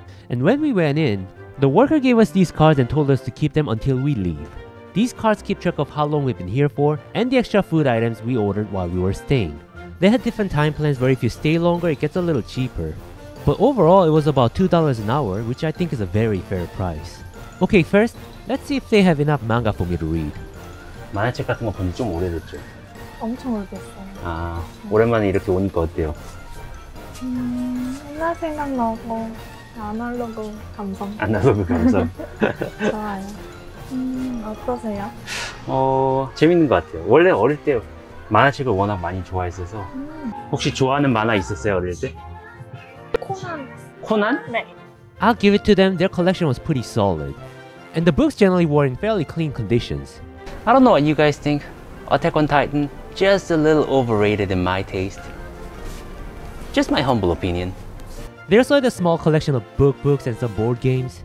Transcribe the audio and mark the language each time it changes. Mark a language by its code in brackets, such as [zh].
[en] And when we went in, the worker gave us these cards and told us to keep them until we leave. These cards keep track of how long we've been here for and the extra food items we ordered while we were staying. They had different time plans where if you stay longer, it gets a little cheaper. But overall, it was about $2 an hour, which I think is a very fair price. Okay, first, let's see if they have enough manga for me to read. [ko] 만화책 같은 거 본 지 좀 오래됐죠? 엄청 오래됐어요. 아, 오랜만에 이렇게 오니까 어때요? 옛날 생각나고, 아날로그 감성. 아날로그 감성. 좋아요. 어떠세요? 재밌는 것 같아요. 원래 어릴 때 만화책을 워낙 많이 좋아했어서. 혹시 좋아하는 만화 있었어요, 어릴 때? 코난. 코난? 네. [en] I'll give it to them, their collection was pretty solid. And the books generally were in fairly clean conditions. I don't know what you guys think. Attack on Titan, just a little overrated in my taste. Just my humble opinion. They also had a small collection of books and some board games.